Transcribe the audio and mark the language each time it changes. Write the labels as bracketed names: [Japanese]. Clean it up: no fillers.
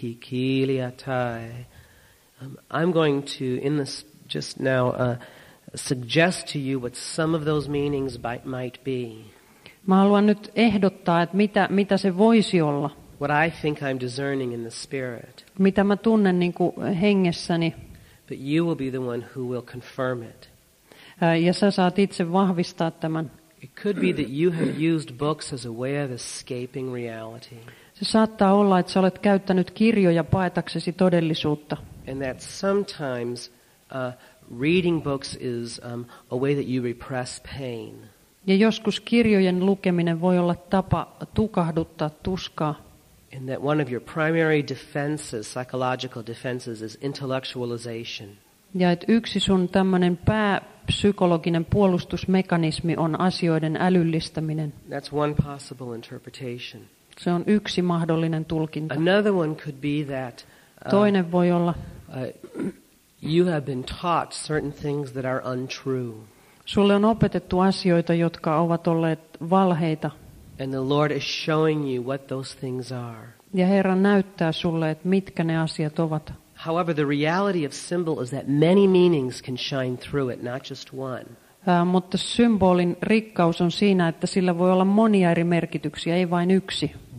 [English] I'm going to, in this just now, suggest to you what some of those meanings might be. [Finnish] Mä haluan nyt ehdottaa, että mitä se voisi olla. [English] What I think I'm discerning in the spirit. [Finnish] Mitä mä tunnen niin kuin hengessäni. [English] But you will be the one who will confirm it. [Finnish] Ja sä saat itse vahvistaa tämän. [English] It could be that you have used books as a way of escaping reality. [Finnish] Se saattaa olla, että sä olet käyttänyt kirjoja paetaksesi todellisuutta. [English] And that sometimes reading books is a way that you repress pain. [Finnish] Ja joskus kirjojen lukeminen voi olla tapa tukahduttaa tuskaa. [English] And that one of your primary defenses, psychological defenses, is intellectualization. [Finnish] Ja et yksi sun tämmönen pääpsykologinen puolustusmekanismi on asioiden älyllistäminen. [English] That's one possible interpretation. [Finnish] Se on yksi mahdollinen tulkinta. [English] Another one could be that [Finnish] toinen voi olla [English] you have been taught certain things that are untrue. [Finnish] Sulle on opetettu asioita, jotka ovat olleet valheita. [English] And the Lord is showing you what those things are. [Finnish] Ja Herra näyttää sulle, että mitkä ne asiat ovat. [English] However, the reality of symbol is that many meanings can shine through it, not just one. [Finnish] Mutta symbolin rikkaus on siinä, että sillä voi olla monia eri merkityksiä, ei vain yksi.